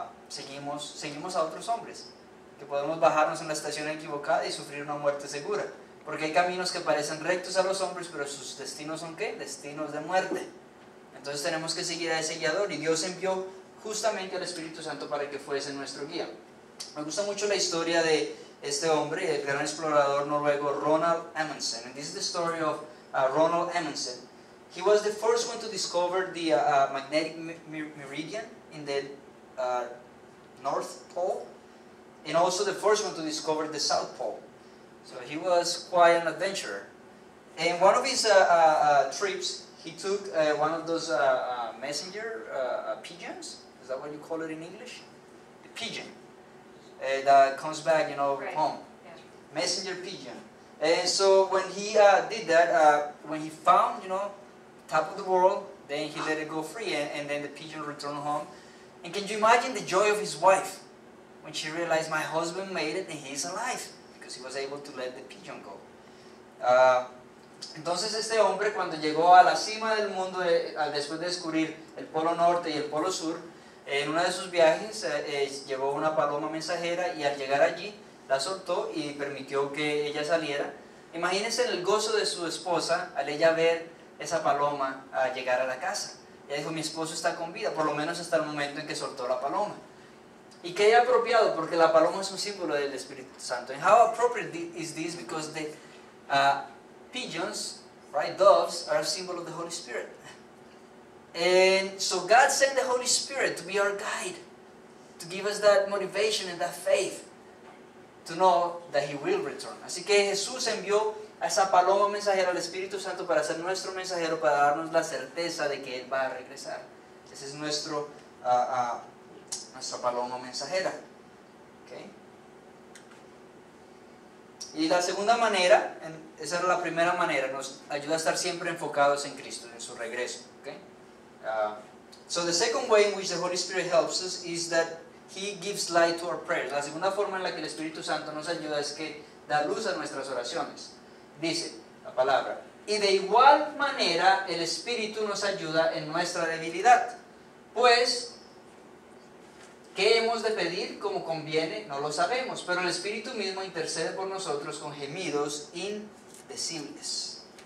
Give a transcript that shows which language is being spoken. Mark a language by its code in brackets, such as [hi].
[es] seguimos a otros hombres, que podemos bajarnos en la estación equivocada y sufrir una muerte segura, porque hay caminos que parecen rectos a los hombres, pero sus destinos son ¿qué? Destinos de muerte. Entonces tenemos que seguir a ese guiador, y Dios envió justamente al Espíritu Santo para que fuese nuestro guía. Me gusta mucho la historia de este hombre, el gran explorador noruego Ronald Amundsen. [en] And this is the story of Ronald Amundsen. He was the first one to discover the magnetic meridian in the North Pole, and also the first one to discover the South Pole. So he was quite an adventurer. In one of his trips, he took one of those messenger pigeons. Is that what you call it in English? The pigeon that comes back, you know, right. Home. Yeah. Messenger pigeon. And so when he did that, when he found, you know, top of the world, then he let it go free, and then the pigeon returned home. And can you imagine the joy of his wife when she realized my husband made it and he's alive because he was able to let the pigeon go. [es] Entonces este hombre cuando llegó a la cima del mundo después de descubrir el polo norte y el polo sur, en una de sus viajes llevó una paloma mensajera y al llegar allí la soltó y permitió que ella saliera. Imagínense el gozo de su esposa al ella ver esa paloma al llegar a la casa. Ella dijo, mi esposo está con vida, por lo menos hasta el momento en que soltó la paloma. Y qué apropiado, porque la paloma es un símbolo del Espíritu Santo. [en] And how appropriate is this, because the pigeons, right, doves, are a symbol of the Holy Spirit. And so God sent the Holy Spirit to be our guide, to give us that motivation and that faith to know that He will return. [es] Así que Jesús envió a esa paloma mensajera al Espíritu Santo para ser nuestro mensajero, para darnos la certeza de que Él va a regresar. Ese es nuestro, nuestra paloma mensajera. Okay. Y la segunda manera, esa era la primera manera, nos ayuda a estar siempre enfocados en Cristo, en su regreso. [en] Okay. So the second way in which the Holy Spirit helps us is that He gives light to our prayers. [es] La segunda forma en la que el Espíritu Santo nos ayuda es que da luz a nuestras oraciones. Dice la palabra, y de igual manera el Espíritu nos ayuda en nuestra debilidad, pues, ¿qué hemos de pedir? Como conviene, no lo sabemos, pero el Espíritu mismo intercede por nosotros con gemidos indecibles.